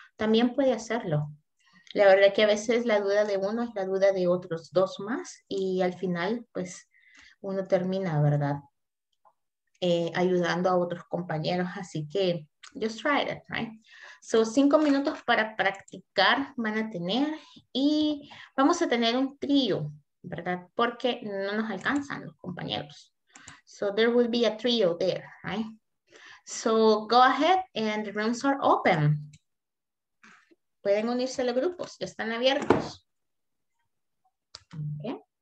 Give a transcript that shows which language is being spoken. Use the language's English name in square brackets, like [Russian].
[Spanish] También puede hacerlo. La verdad que a veces la duda de uno es la duda de otros dos más, y al final, pues, uno termina, ¿verdad? Ayudando a otros compañeros, así que [English] just try it, right? [Spanish] So, 5 minutos para practicar van a tener, y vamos a tener un trío, ¿verdad? Porque no nos alcanzan los compañeros. [English] So there will be a trio there, right? So go ahead and the rooms are open. [Spanish] Pueden unirse a los grupos, ya están abiertos. [English] Okay.